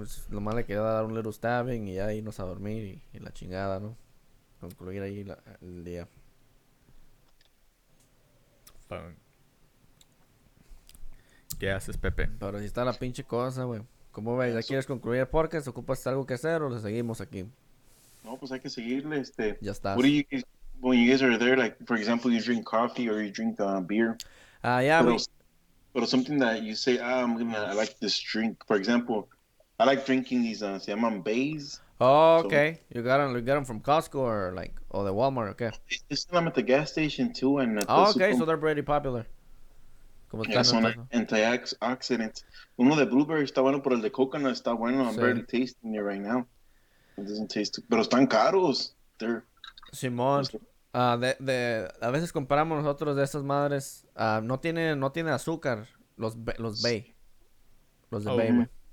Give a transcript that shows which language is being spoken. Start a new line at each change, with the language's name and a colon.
Spanish: Nomás le quería dar un
English: little stabbing
Spanish: y ya irnos a dormir y la chingada, ¿no? Concluir ahí el día. ¿Qué haces, Pepe? Pero si está la pinche cosa, güey. ¿Cómo ves? ¿Ya eso... quieres concluir el podcast? ¿Ocupas algo que hacer o le seguimos aquí? No, pues hay que seguirle, Ya está.
English: What do you, when you guys are there, like, for example, you drink coffee or you drink beer. Ah, yeah, but, but something that you say, I like this drink. For example, I like drinking these,
Spanish: se llaman Bays.
English: Oh, okay. So, you got them from Costco or the Walmart, okay? It's them at the gas station too, and oh, okay, so they're pretty popular.
Spanish: Como
English: yeah, so antioxidants.
Spanish: Uno de blueberry está bueno, pero el de coconut está bueno.
English: I'm barely tasting it right now. It doesn't taste too,
Spanish: pero están caros.
English: They're
Spanish: Simón. A veces compramos nosotros de estas madres. No tiene azúcar. Los Bay. Los de Bay.
English: Man.